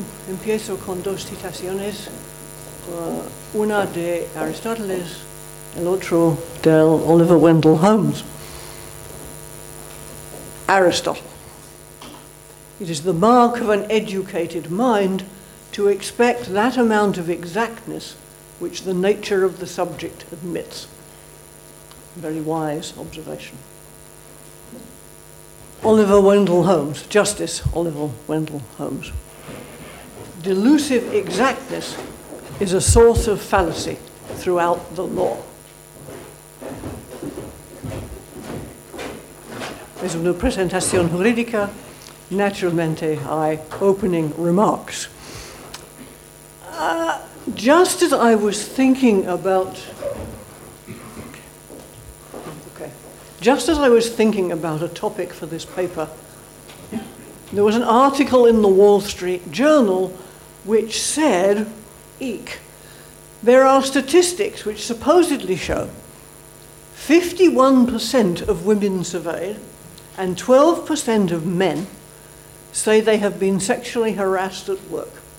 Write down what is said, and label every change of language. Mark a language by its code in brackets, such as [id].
[es] Empiezo con dos citaciones, una de Aristóteles, el otro de Oliver Wendell Holmes. [en] Aristotle. It is the mark of an educated mind to expect that amount of exactness which the nature of the subject admits. Very wise observation. Oliver Wendell Holmes, Justice Oliver Wendell Holmes. Delusive exactness is a source of fallacy throughout the law. [es] Es una presentación jurídica, naturalmente hay [en] opening remarks. Just as I was thinking about a topic for this paper, there was an article in the Wall Street Journal which said, eek, there are statistics which supposedly show 51% of women surveyed and 12% of men say they have been sexually harassed at work.